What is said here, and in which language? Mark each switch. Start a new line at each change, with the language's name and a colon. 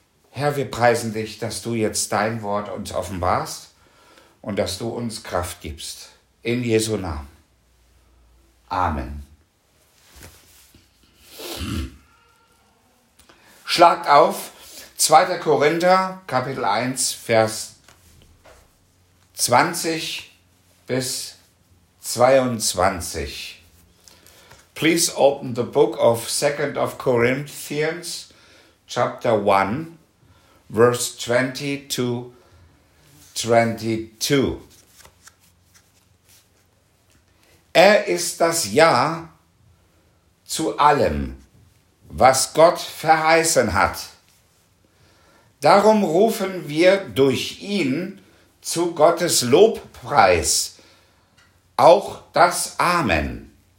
German: Herr, wir preisen dich, dass du jetzt dein Wort uns offenbarst und dass du uns Kraft gibst. In Jesu Namen. Amen. Schlagt auf 2. Korinther, Kapitel 1, Vers 20 bis 22.
English: Please open the book of 2 of Corinthians, chapter 1, verse 20 to 22.
German: Er ist das Ja zu allem, was Gott verheißen hat. Darum rufen wir durch ihn zu Gottes Lobpreis auch das Amen.